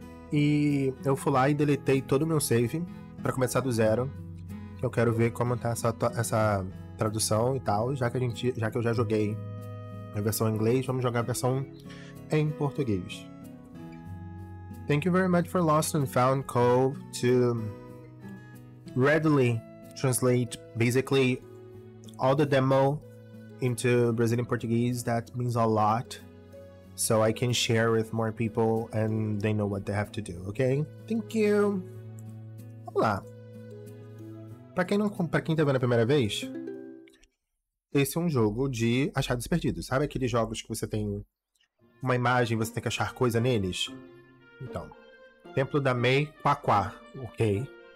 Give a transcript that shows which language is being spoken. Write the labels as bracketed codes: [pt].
[pt] E eu fui lá e deletei todo o meu save para começar do zero, que eu quero ver como tá essa tradução e tal, já que eu já joguei a versão em inglês, vamos jogar a versão em português. [en] Thank you very much for Lost and Found Co. to readily translate basically all the demo into Brazilian Portuguese. That means a lot, so I can share with more people and they know what they have to do, okay? Thank you! Olá! [pt] Pra quem tá vendo a primeira vez, esse é um jogo de achados perdidos. Sabe aqueles jogos que você tem uma imagem e você tem que achar coisa neles? Então, Templo da Mei Quaquá, ok.